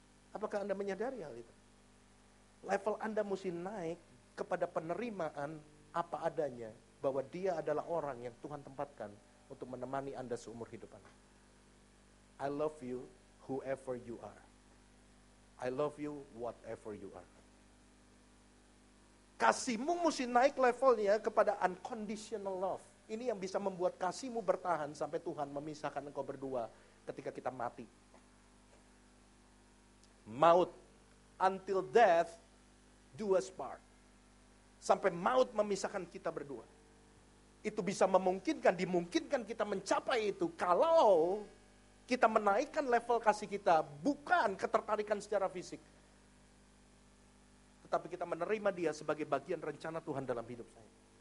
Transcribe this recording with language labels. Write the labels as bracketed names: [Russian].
[Indonesian] Apakah Anda menyadari hal itu? Level Anda mesti naik kepada penerimaan apa adanya bahwa dia adalah orang yang Tuhan tempatkan untuk menemani Anda seumur hidup Anda. [English] I love you whoever you are. I love you whatever you are. [Indonesian] Kasihmu mesti naik levelnya kepada [English] unconditional love. [Indonesian] Ini yang bisa membuat kasihmu bertahan sampai Tuhan memisahkan engkau berdua ketika kita mati. Maut, [English] until death, do us part. [Indonesian] Sampai maut memisahkan kita berdua. Itu bisa memungkinkan, dimungkinkan kita mencapai itu kalau kita menaikkan level kasih kita bukan ketertarikan secara fisik. Tapi kita menerima dia sebagai bagian rencana Tuhan dalam hidup saya.